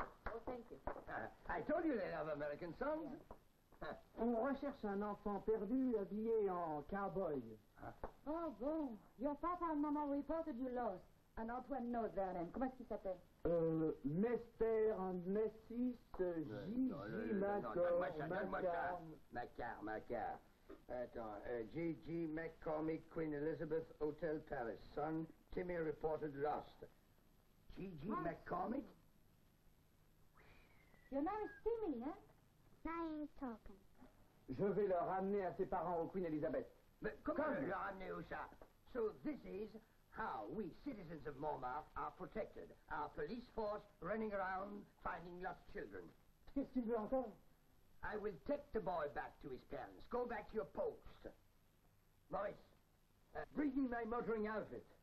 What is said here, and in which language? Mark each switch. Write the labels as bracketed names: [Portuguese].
[English] Oh, thank you. I told you they love American songs. Yeah. [French] On recherche un enfant perdu habillé en cowboy. [English] Oh, bon. Your papa and mama reported you lost. And Antoine knows their name. [French] Comment est-ce qu'il s'appelle? [English] Mester and Messis Gigi Macor. Macar. Attends. Gigi McCormick, Queen Elizabeth Hotel Paris. Son, Timmy reported lost. Gigi McCormick? Your name is Timmy, eh? My name is Tolkien. [French] Je vais le ramener à ses parents, au Queen Elizabeth. Mais comment le ramener où ça? [English] So this is how we citizens of Montmartre are protected. Our police force running around finding lost children. [French] Qu'est-ce qu'il veut encore? [English] I will take the boy back to his parents. Go back to your post. Maurice, bring me my motoring outfit.